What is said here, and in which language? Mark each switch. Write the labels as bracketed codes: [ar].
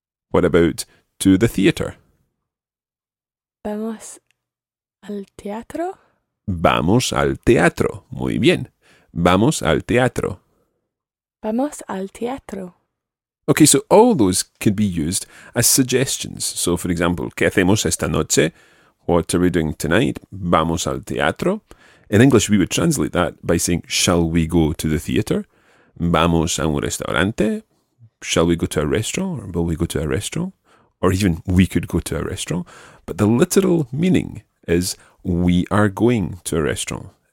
[en] What about to the theatre? [es] Vamos al teatro. Vamos al teatro. Muy bien. Vamos al teatro. Vamos al teatro. [en] Okay, so all those can be used as suggestions. So for example, [es] ¿qué hacemos esta noche? [en] What are we doing tonight? [es] Vamos al teatro. [en] In English, we would translate that by saying, shall we go to the theatre? [es] Vamos a un restaurante. [en] Shall we go to a restaurant? Or will we go to a restaurant? Or even, we could go to a restaurant. But the literal meaning is, we are going to a restaurant.